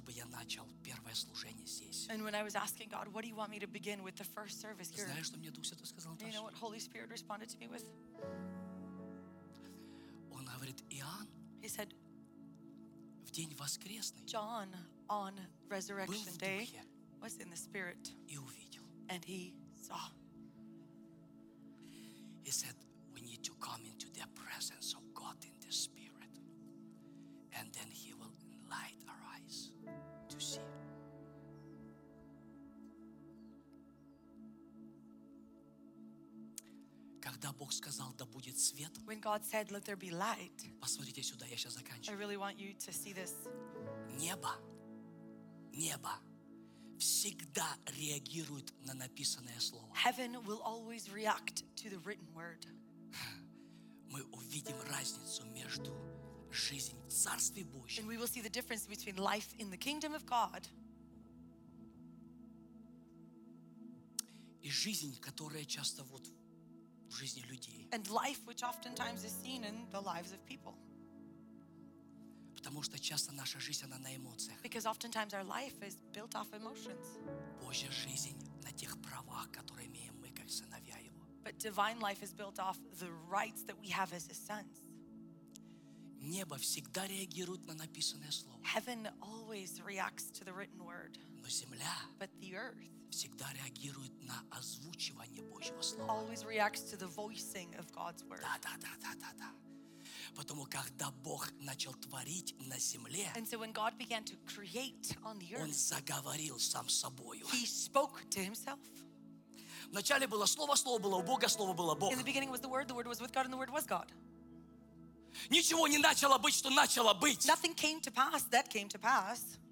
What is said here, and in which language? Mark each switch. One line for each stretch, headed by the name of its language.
Russian: начал первое служение здесь.
English: And when I was asking God, what do you want me to begin with the first service here?
Russian: Знаешь, что мне Дух Святой сказал?
English: You know what Holy Spirit responded to me with?
Russian: Он говорит, Иоанн.
English: He said,
Russian: в день воскресный.
English: John on resurrection day was in the spirit.
Russian: И увидел.
English: And he saw. He said, we need to come into the presence of God in the spirit, and then he will light our eyes to see.
Russian: Когда Бог сказал, да будет свет,
English: when God said, let there be light,
Russian: посмотрите сюда, я сейчас заканчиваю.
English: I really want you to see this.
Russian: Небо всегда реагирует на написанное слово.
English: Heaven will always react to the written word.
Russian: Мы увидим разницу между жизнью в Царстве Божьем.
English: And we will see the difference between life in the kingdom of God
Russian: и жизнь, которая часто вот в жизни людей.
English: And life which oftentimes is seen in the lives of people.
Russian: Потому что часто наша жизнь, она на эмоциях.
English: Because oftentimes our life is built off emotions.
Russian: Божья жизнь на тех правах, которые имеем мы, как сыновья Его.
English: But divine life is built off the rights that we have as His sons.
Russian: Небо всегда реагирует на написанное слово.
English: Heaven always reacts to the written word.
Russian: Но земля
English: but the earth
Russian: всегда реагирует на озвучивание Божьего слова.
English: Always reacts to the voicing of God's word.
Russian: Да. Потому когда Бог начал творить на земле,
English: and so when God began to create on the earth,
Russian: Он заговорил сам с собою.
English: He spoke to Himself.
Russian: В начале было слово, слово было у Бога, слово было Бог.
English: In the beginning was the word was with God, and the word was God.
Russian: Ничего не начало быть, что начало быть.
English: Nothing came to pass that came to pass.